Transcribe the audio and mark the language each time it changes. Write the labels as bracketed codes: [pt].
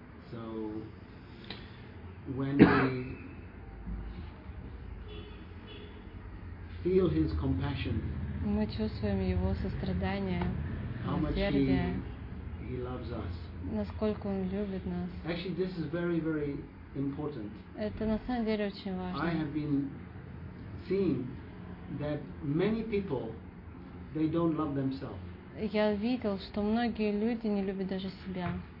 [en] So, when we feel his compassion, [ru] мы чувствуем его сострадание, [en] how much he loves us. [ru] Насколько он любит нас. [en] Actually, this is very, very important. [ru] Это на самом деле очень важно. [en] I have been seeing that many people, they don't love themselves. [ru] Я видел, что многие люди не любят даже себя.